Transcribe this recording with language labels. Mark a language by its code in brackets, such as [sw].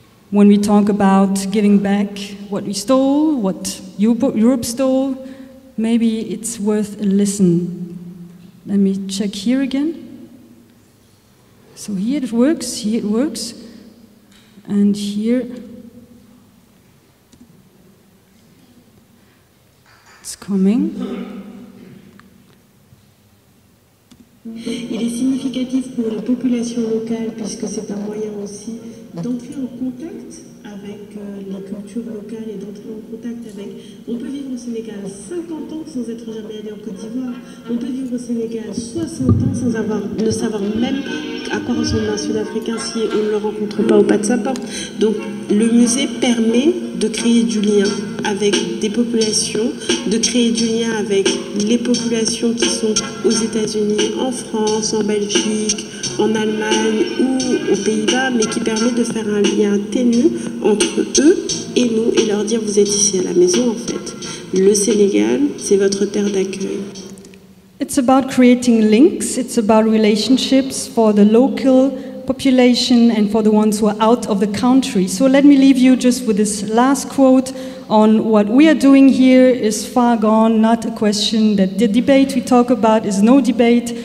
[en] When we talk about giving back what we stole, what Europe stole, maybe it's worth a listen. Let me check here again. So here it works, and here it's coming. [fr] Il est significatif pour les populations locales puisque c'est un moyen aussi d'entrer en contact avec la culture locale et d'entrer en contact avec... On peut vivre au Sénégal 50 ans sans être jamais allé en Côte d'Ivoire. On peut vivre au Sénégal 60 ans sans avoir, ne savoir même à quoi ressemble un Sud-Africain si on ne le rencontre pas au pas de sa porte. Donc le musée permet de créer du lien avec des populations, de créer du lien avec les populations qui sont aux États-Unis, en France, en Belgique, en Allemagne ou aux Pays-Bas, mais qui permet de faire un lien ténu entre eux et nous et leur dire vous êtes ici à la maison en fait. Le Sénégal, c'est votre terre d'accueil. [en] It's about creating links, it's about relationships for the local population and for the ones who are out of the country. So let me leave you just with this last quote on what we are doing here is far gone, not a question that the debate we talk about is no debate.